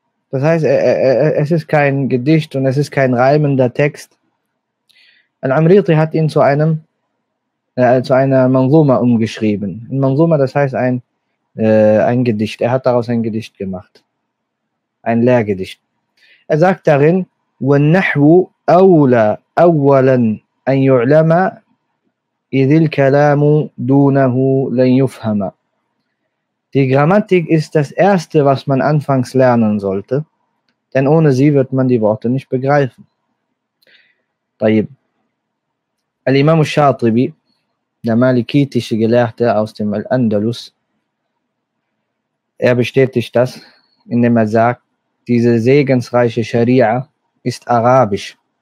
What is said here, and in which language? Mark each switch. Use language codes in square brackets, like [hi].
[de] Das heißt, es ist kein Gedicht und es ist kein reimender Text. Al-Amriti hat ihn zu einer Manzuma umgeschrieben. Ein Manzuma, das heißt ein Gedicht. Er hat daraus ein Gedicht gemacht. Ein Lehrgedicht. Er sagt darin, [ar] وَالنَّحْوُ أَوْلَى أَوَّلًا أَنْ يُعْلَمَ إِذِ الْكَلَامُ دُونَهُ لَنْ يُفْهَمَ. [de] Die Grammatik ist das Erste, was man anfangs lernen sollte, denn ohne sie wird man die Worte nicht begreifen. [ar] طيب. [de] Al-Imam al-Shatibi, der malikitische Gelehrte aus dem Al-Andalus, er bestätigt das, indem er sagt, diese segensreiche Scharia ist arabisch.